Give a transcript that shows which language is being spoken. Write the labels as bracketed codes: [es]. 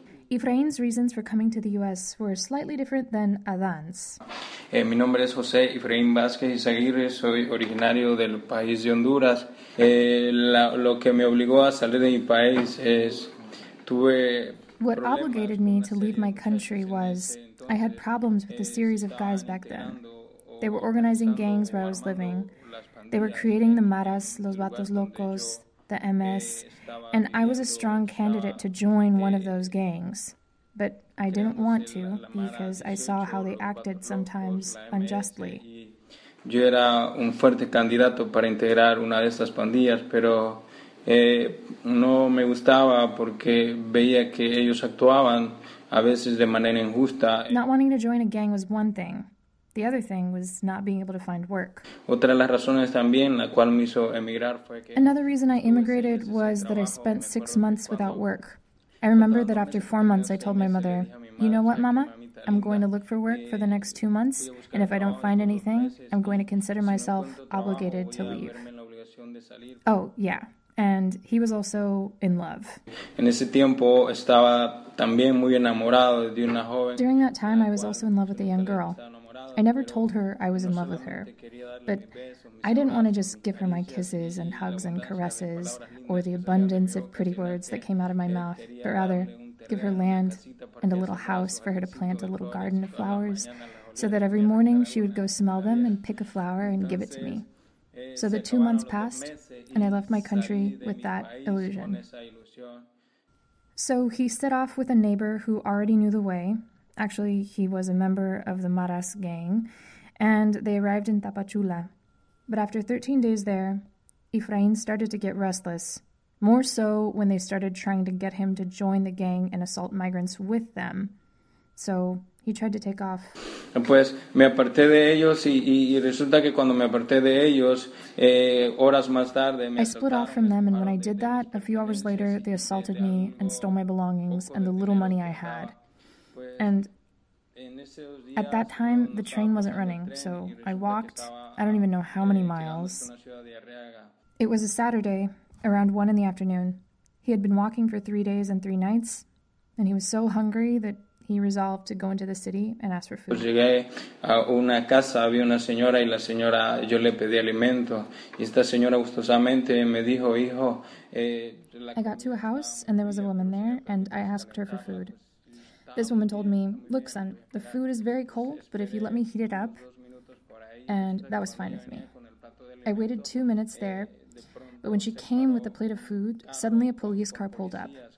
[en] Efraín's reasons for coming to the U.S. were slightly different than Adán's. [es] Mi nombre es José Efraín Vázquez Izaguirre, soy originario del país de Honduras. Lo que me obligó a salir de mi país es tuve. [en] What obligated me to leave my country was I had problems with a series of guys back then. They were organizing gangs where I was living. They were creating the Maras, Los Vatos Locos, the MS, and I was a strong candidate to join one of those gangs. But I didn't want to because I saw how they acted sometimes unjustly. [es] Yo era un fuerte candidato para integrar una de estas pandillas, pero no me gustaba porque veía que ellos actuaban a veces de manera injusta. [en] Not wanting to join a gang was one thing. The other thing was not being able to find work. [es] Otra de las razones también la cual me hizo emigrar fue que [en] another reason I immigrated was that I spent 6 months without work. I remember that after 4 months I told my mother, "You know what, mama? I'm going to look for work for the next 2 months, and if I don't find anything, I'm going to consider myself obligated to leave." Oh, yeah. And he was also in love. [es] En ese tiempo estaba también muy enamorado de una joven. [en] During that time I was also in love with a young girl. I never told her I was in love with her, but I didn't want to just give her my kisses and hugs and caresses or the abundance of pretty words that came out of my mouth, but rather give her land and a little house for her to plant a little garden of flowers so that every morning she would go smell them and pick a flower and give it to me. So the 2 months passed, and I left my country with that illusion. So he set off with a neighbor who already knew the way. Actually, he was a member of the Maras gang, and they arrived in Tapachula. But after 13 days there, Efrain started to get restless, more so when they started trying to get him to join the gang and assault migrants with them. So he tried to take off. [es] Pues me aparté de ellos y resulta que cuando me aparté de ellos, horas más tarde... [en] I split off from them, and when I did that, a few hours later, they assaulted me and stole my belongings and the little money I had. And at that time, the train wasn't running, so I walked, I don't even know how many miles. It was a Saturday, around 1 in the afternoon. He had been walking for 3 days and three nights, and he was so hungry that he resolved to go into the city and ask for food. [es] Llegué a una casa, había una señora, y la señora, yo le pedí alimento. Y esta señora gustosamente me dijo, hijo... [en] I got to a house, and there was a woman there, and I asked her for food. This woman told me, look, son, the food is very cold, but if you let me heat it up, and that was fine with me. I waited 2 minutes there, but when she came with a plate of food, suddenly a police car pulled up.